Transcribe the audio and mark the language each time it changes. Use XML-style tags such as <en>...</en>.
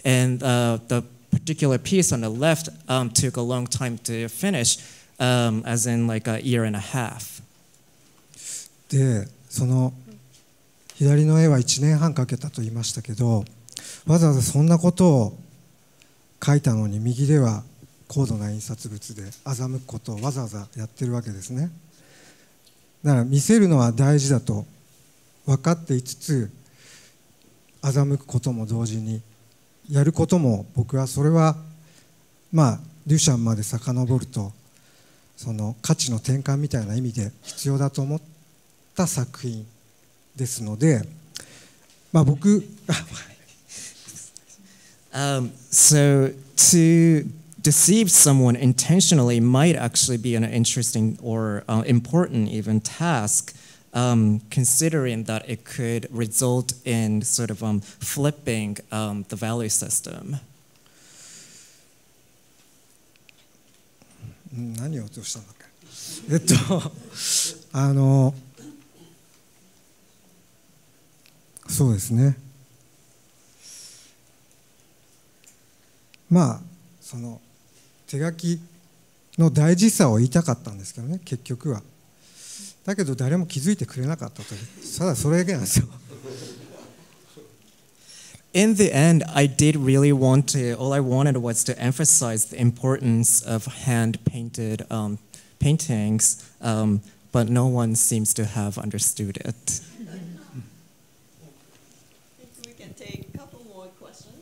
<en>And the particular piece on the left took a long time to finish, as in like a year and a half.</en> <ja>で、その左の絵は1年半かけたと言いましたけど、わざわざそんなことを書いたのに、右では高度な印刷物で欺くことをわざわざやってるわけですね。だから見せるのは大事だと分かっていつつ、欺くことも同時にやることも、僕はそれはまあデュシャンまで遡るとその価値の転換みたいな意味で必要だと思った作品ですので、まあ僕</ja> <en>So to deceive someone intentionally might actually be an interesting or important even task, considering that it could result in sort of flipping the value system.</en> <ja>何を落としたのか。そうですね。まあその手書きの大事さを言いたかったんですけどね、結局は。だけど誰も気づいてくれなかったと、ただそれだけなんですよ。</ja> <en>In the end, I did really want to, all I wanted was to emphasize the importance of hand-painted paintings, but no one seems to have understood it. I think we can take a couple more questions.</en>